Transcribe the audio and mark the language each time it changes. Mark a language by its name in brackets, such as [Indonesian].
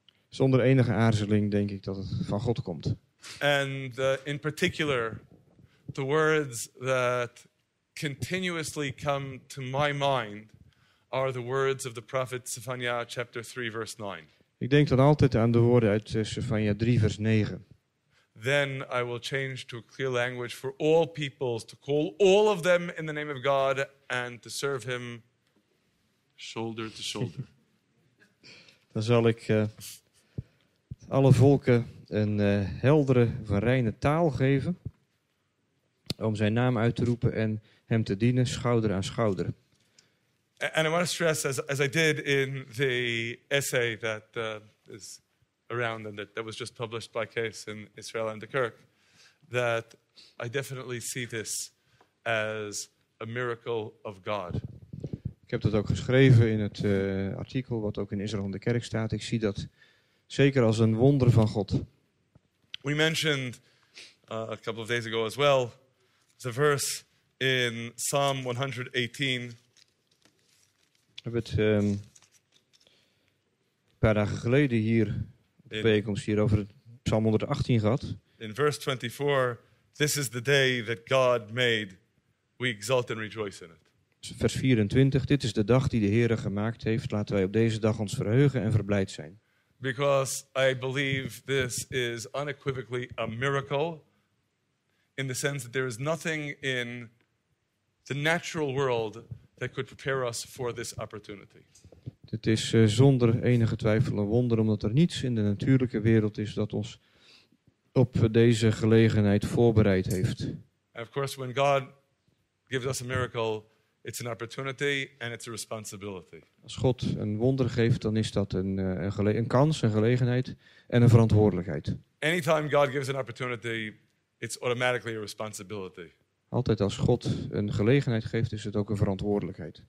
[Dutch] Zonder enige aarzeling denk ik dat het van God komt. [English] And in particular, the words that continuously come to my mind are the words of the prophet Zephaniah chapter 3 verse 9. [Dutch] Ik denk dan altijd aan de woorden uit Zephaniah 3 vers 9. [English] Then I will change to a clear language for all peoples to call all of them in the name of God and to serve him shoulder to shoulder. [Dutch] Dan zal ik alle volken een heldere, van reine taal geven om zijn naam uit te roepen en hem te dienen, schouder aan schouder. [English] And I want to stress, as I did in the essay that is around and that was just published by Case in Israel and the Kirk, that I definitely see this as a miracle of God. [Dutch] Ik heb dat ook geschreven in het artikel wat ook in Israel en de Kerk staat. Ik zie dat zeker als een wonder van God. [English] We mentioned a couple of days ago as well the verse in Psalm 118. [Dutch] We hebben het een paar dagen geleden hier op de bijeenkomst hier over Psalm 118 gehad. [English] In verse 24, this is the day that God made. We exult and rejoice in it. [Dutch] Vers 24, dit is de dag die de Heere gemaakt heeft. Laten wij op deze dag ons verheugen en verblijd zijn. [English] Because I believe this is unequivocally a miracle in the sense that there is nothing in the natural world that could prepare us for this opportunity. [Dutch] Het is zonder enige twijfel een wonder, omdat er niets in de natuurlijke wereld is dat ons op deze gelegenheid voorbereid heeft. [English] And of course, when God gives us a miracle, it's an opportunity and it's a responsibility. [Dutch] Als God een wonder geeft, dan is dat een kans, een gelegenheid en een verantwoordelijkheid. [English] Anytime God gives an opportunity, it's automatically a responsibility. [Dutch] Altijd als God een gelegenheid geeft, is het ook een verantwoordelijkheid.